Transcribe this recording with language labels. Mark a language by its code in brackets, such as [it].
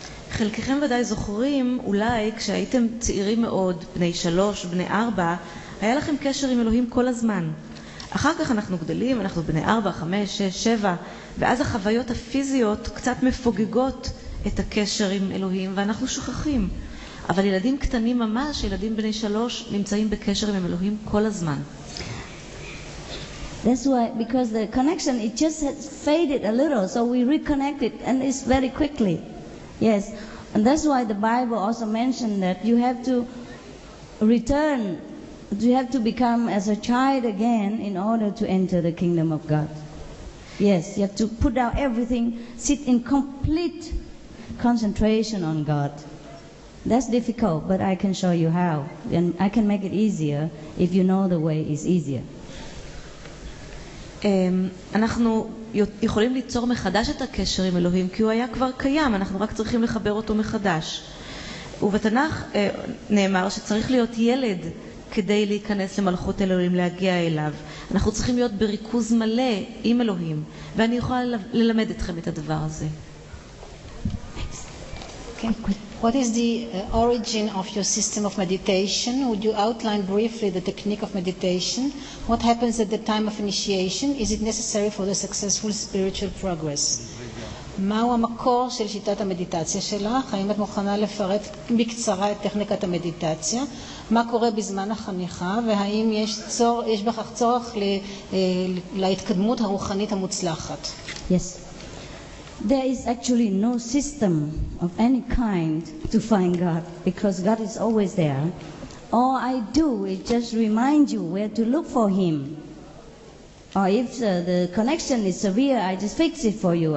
[he] חלקכם ודאי זוכרים, אולי כשהייתם צעירים מאוד, בני 3, בני 4, היה לכם קשר עם אלוהים כל הזמן. אחר כך אנחנו גדלים, אנחנו בני 4, 5, 6, 7, ואז החוויות הפיזיות קצת מפוגגות את הקשר עם אלוהים, ואנחנו שוכחים. אבל ילדים קטנים ממש, ילדים בני 3, נמצאים בקשר עם אלוהים כל הזמן. [en] That's why, because the connection, it just has faded a little, so we reconnect it, and it's very quickly. Yes, and that's why the Bible also mentioned that you have to return Do you have to become as a child again in order to enter the kingdom of God? Yes, you have to put down everything, sit in complete concentration on God. That's difficult, but I can show you how. And I can make it easier if you know the way is easier. [he] אנחנו יכולים ליצור מחדש את הקשר עם אלוהים, כי הוא היה כבר קיים, אנחנו רק צריכים לחבר אותו מחדש. ובתנך נאמר שצריך להיות ילד כדי להיכנס למלכות אלוהים, להגיע אליו. אנחנו צריכים להיות בריכוז מלא עם אלוהים, ואני יכולה ללמד אתכם את הדבר הזה. [en] What is the origin of your system of meditation? Would you outline briefly the technique of meditation? What happens at the time of initiation? Is it necessary for the successful spiritual progress? [he] מהו המקור של שיטת המדיטציה שלך? האם את מוכנה לפרט בקצרה את טכניקת המדיטציה? מה קורה בזמן החניכה? והאם יש בכך צורך להתקדמות הרוחנית המוצלחת? [en] Yes. There is actually no system of any kind to find God, because God is always there. All I do is just remind you where to look for Him. Or if the connection is severe, I just fix it for you.